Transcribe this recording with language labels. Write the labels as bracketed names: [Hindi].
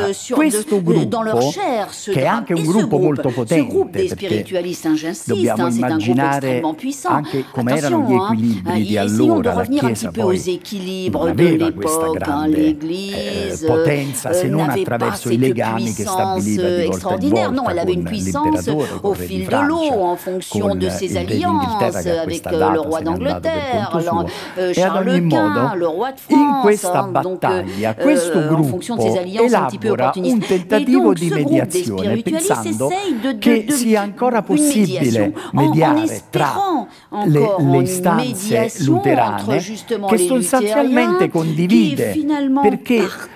[Italian] Questo gruppo, che è anche un gruppo molto potente, perché dobbiamo immaginare anche come erano gli equilibri di allora. La Chiesa poi non aveva questa grande potenza se non attraverso i legami che stabiliva di volta in volta. [French] Non, elle avait une puissance au fil de l'eau en fonction de ses alliances avec le roi d'Angleterre, Charles Quint, le roi de France. En fonction de ses alliances un petit peu opportunistes. Et donc ce groupe des spiritualistes essaye de [Italian] possibile mediare tra le istanze luterane che sostanzialmente condivide, perché